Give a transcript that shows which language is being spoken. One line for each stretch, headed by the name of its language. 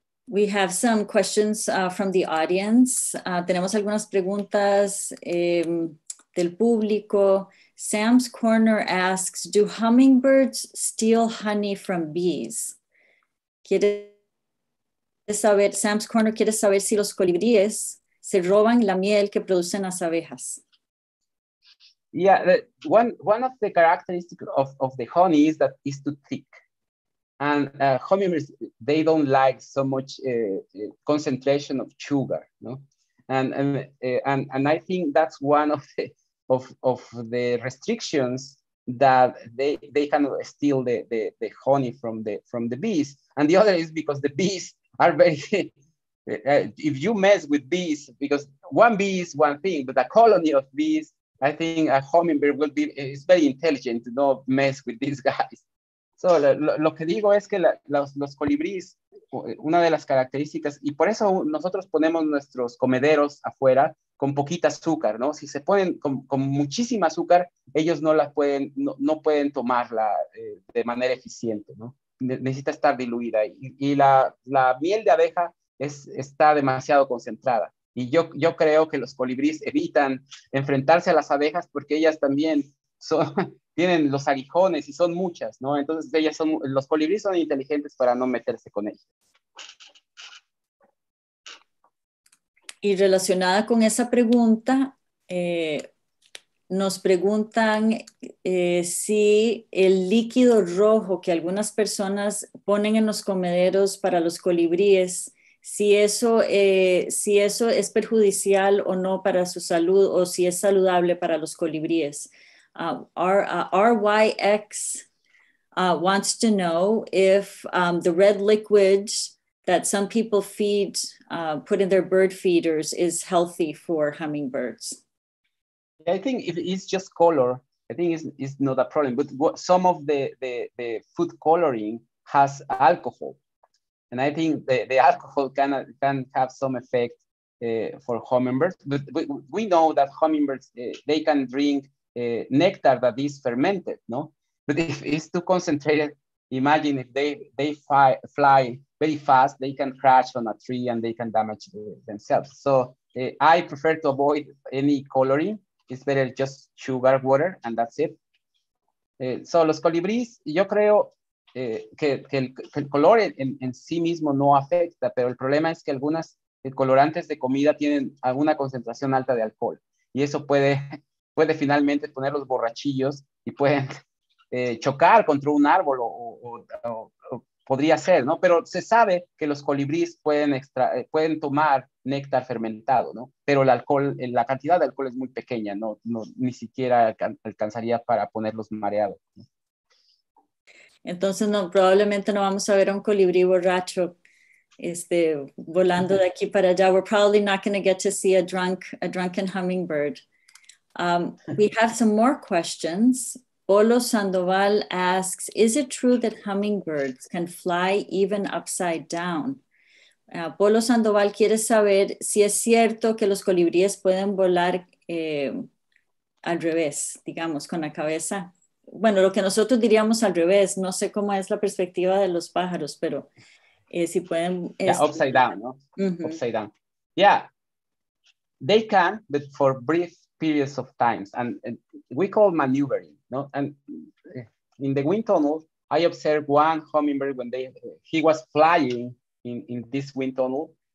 English: We have some questions from the audience.
Spanish: Tenemos algunas preguntas del público.
English: Sam's Corner asks, do hummingbirds steal honey from bees?
Spanish: Sam's Corner quiere saber si los colibríes se roban la miel que producen las abejas.
English: Yeah, one of the characteristics of the honey is that it's too thick. And hummingbirds, they don't like so much concentration of sugar, no? And I think that's one of the restrictions that they cannot steal the honey from the bees. And the other is because the bees are very, if you mess with bees, because one bee is one thing, but a colony of bees, I think a hummingbird will be, it's very intelligent to not mess with these guys.
Spanish: So lo que digo es que los colibríes, una de las características, y por eso nosotros ponemos nuestros comederos afuera con poquita azúcar, ¿no? Si se ponen con muchísima azúcar, ellos no la pueden, no pueden tomarla de manera eficiente, ¿no? Necesita estar diluida. Y la miel de abeja está demasiado concentrada. Y yo creo que los colibríes evitan enfrentarse a las abejas porque ellas también tienen los aguijones y son muchas, ¿no? Entonces ellas son, los colibríes son inteligentes para no meterse con ellas. Y relacionada con esa pregunta, nos preguntan si el líquido rojo que algunas personas ponen en los comederos para los colibríes, si eso es perjudicial o no para su salud o si es saludable para los colibríes.
English: RYX wants to know if the red liquid that some people feed, put in their bird feeders is healthy for hummingbirds. I think if it's just color, I think it's not a problem, but some of the food coloring has alcohol. And I think the alcohol can have some effect for hummingbirds. But we know that hummingbirds, they can drink nectar that is fermented, no? But if it's too concentrated, imagine if they fly very fast, they can crash on a tree and they can damage themselves. So I prefer to avoid any coloring. It's better just sugar, water, and that's it.
Spanish: So los colibríes, yo creo que el color en sí mismo no afecta, pero el problema es que algunas colorantes de comida tienen alguna concentración alta de alcohol. Y eso puede finalmente ponerlos borrachillos y pueden chocar contra un árbol o podría ser, ¿no? Pero se sabe que los colibríes pueden tomar néctar fermentado, ¿no? Pero el alcohol, la cantidad de alcohol es muy pequeña, ¿no? No, ni siquiera alcanzaría para ponerlos mareados, ¿no? Entonces, no, probablemente no vamos a ver a un colibrí borracho volando de aquí para allá.
English: We're probably not going to get to see a drunken hummingbird. We have some more questions. Olo Sandoval asks, is it true that hummingbirds can fly even upside down?
Spanish: Polo Sandoval quiere saber si es cierto que los colibríes pueden volar al revés, digamos, con la cabeza. Bueno, lo que nosotros diríamos al revés, no sé cómo es la perspectiva de los pájaros, pero si pueden...
English: upside down, ¿no? Uh-huh. Upside down. Yeah, they can, but for brief periods of time. And we call maneuvering. No, and in the wind tunnel, I observed one hummingbird when he was flying in this wind tunnel,